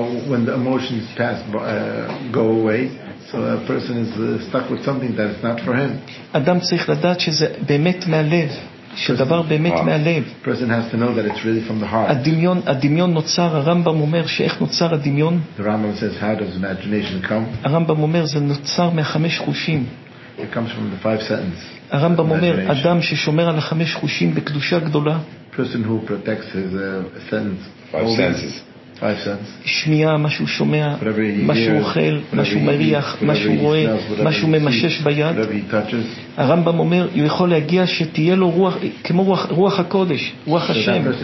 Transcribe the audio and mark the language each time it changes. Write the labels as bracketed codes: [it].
[en] When the emotions pass go away, so a person is stuck with something that is not for him. [he] Adam צריך לדעת שזה באמת מהלב, שדבר באמת מהלב. [en] Person has to know that it's really from the heart. [he] הדמיון נוצר. הרמב"ם אומר שאיך נוצר הדמיון. [en] The Rambam says, how does imagination come? [he] הרמב"ם אומר זה נוצר מהחמש חושים. [en] It comes from the five senses. [he] הרמב"ם אומר אדם ששומר על החמש חושים בקדושה גדולה. [en] Person who protects his senses. Five senses. 5 cents. [he] שמיעה, מה שהוא שומע, מה שהוא אוכל, מה שהוא מריח, מה שהוא רואה, מה שהוא ממשש ביד. הרמב״ם אומר, הוא יכול להגיע שתהיה לו רוח, כמו רוח הקודש, רוח השם.